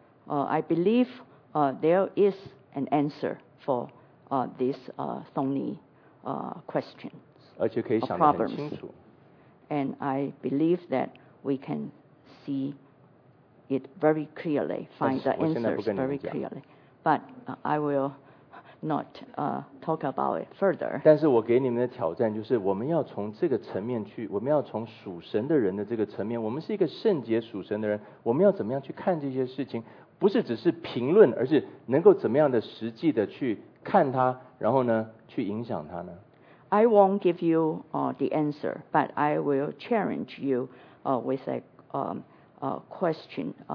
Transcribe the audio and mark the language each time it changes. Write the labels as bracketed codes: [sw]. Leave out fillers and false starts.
[en] I believe there is an answer for this thorny question. [zh] 而且可以想得很清楚。 [en] And I believe that we can see it very clearly, find the answers very clearly. But I will not talk about it further. [zh] 但是我给你们的挑战就是，我们要从这个层面去，我们要从属神的人的这个层面，我们是一个圣洁属神的人，我们要怎么样去看这些事情？不是只是评论，而是能够怎么样的实际的去看它，然后呢，去影响它呢 [en] ？I won't give you the answer, but I will challenge you with a question.